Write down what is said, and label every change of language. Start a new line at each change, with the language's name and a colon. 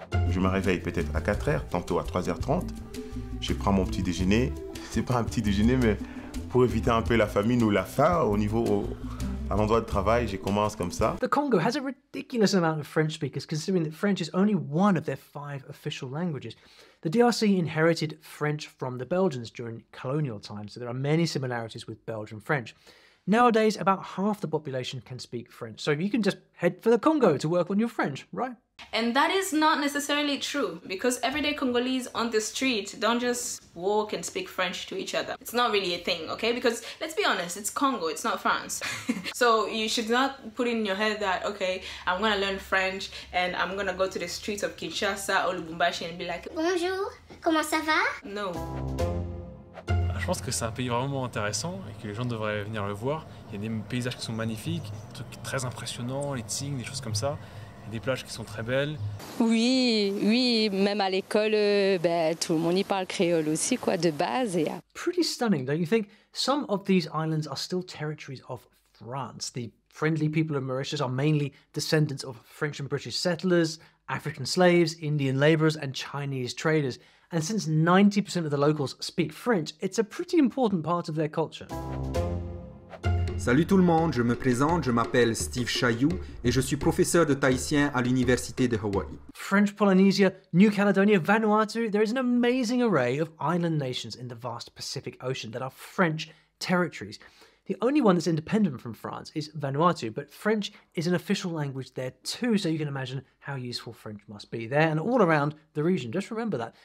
French: Je me réveille peut-être à 4h, tantôt à 3h30. Je prends mon petit déjeuner. C'est pas un petit déjeuner, mais pour éviter un peu la famine ou la faim au niveau à l'endroit de travail, je commence comme ça.
English: The Congo has a ridiculous amount of French speakers, considering that French is only one of their five official languages. The DRC inherited French from the Belgians during colonial times, so there are many similarities with Belgian French. Nowadays, about half the population can speak French, so you can just head for the Congo to work on your French, right? And that is not necessarily true, because everyday Congolese on the street don't just walk and speak French to each other. It's not really a thing, okay? Because let's be honest, it's Congo, it's not France. So you should not put in your head that, okay, I'm gonna learn French and I'm gonna go to the streets of Kinshasa or Lubumbashi and be like,
French: bonjour, comment ça va?
English: No.
French: Je pense que c'est un pays vraiment intéressant et que les gens devraient venir le voir. Il y a des paysages qui sont magnifiques, des trucs très impressionnants, les tignes, des choses comme ça. Il y a des plages qui sont très belles. Oui, oui, même à l'école, ben, tout le monde y parle créole aussi, quoi, de base. Et...
English: Pretty stunning, don't you think? Some of these islands are still territories of France. The friendly people of Mauritius are mainly descendants of French and British settlers, African slaves, Indian laborers, and Chinese traders. And since 90% of the locals speak French, it's a pretty important part of their culture.
French: Salut tout le monde, je me présente, je m'appelle Steve Chaillou et je suis professeur de Tahitien à l'Université de Hawaii.
English: French Polynesia, New Caledonia, Vanuatu, there is an amazing array of island nations in the vast Pacific Ocean that are French territories. The only one that's independent from France is Vanuatu, but French is an official language there too, so you can imagine how useful French must be there and all around the region. Just remember that.